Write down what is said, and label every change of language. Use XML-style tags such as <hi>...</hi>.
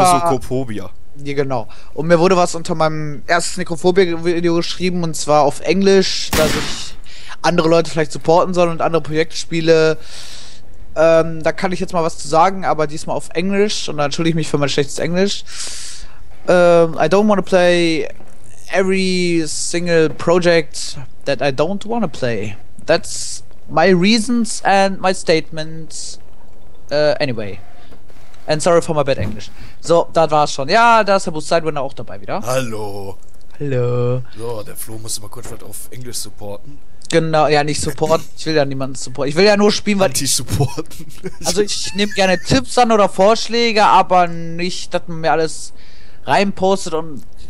<de>Mesokophobia. Ja, genau. Und mir wurde was unter meinem ersten Necrophobia-Video geschrieben, und zwar auf Englisch, dass ich andere Leute vielleicht supporten soll und andere Projekte spiele. Da kann ich jetzt mal was zu sagen, aber diesmal auf Englisch, und dann entschuldige ich mich für mein schlechtes Englisch.</de> <en>I don't wanna play every single project that I don't wanna play. That's my reasons and my statements. Anyway. And sorry for my bad English.</en> <de>So, das war's schon. Ja, da ist der Boost Sidewinder auch dabei wieder. Hallo. Hallo. So, der Flo muss mal kurz was auf Englisch supporten. Genau, ja, nicht supporten. Ich will ja niemanden supporten. Ich will ja nur spielen, weil... Anti-supporten. Also, ich nehme gerne Tipps an oder Vorschläge, aber nicht, dass man mir alles reinpostet und...</de>